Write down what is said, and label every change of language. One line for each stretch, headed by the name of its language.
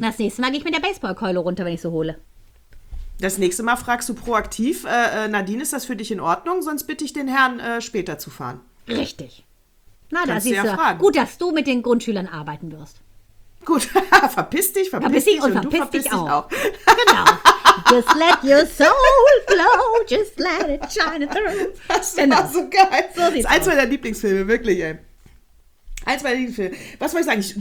German: Das nächste Mal gehe ich mit der Baseballkeule runter, wenn ich sie hole. Das nächste Mal fragst du proaktiv, Nadine, ist das für dich in Ordnung? Sonst bitte ich den Herrn, später zu fahren. Richtig. Na, da siehst du. Gut, dass du mit den Grundschülern arbeiten wirst. Gut, verpiss dich und du verpiss dich auch. Genau.
English: Just let your soul flow, just let it shine through.
German: Das war so geil. So sieht's aus. Eins meiner Lieblingsfilme, wirklich, ey. Als mein Lieblingsfilm. Was wollte ich sagen?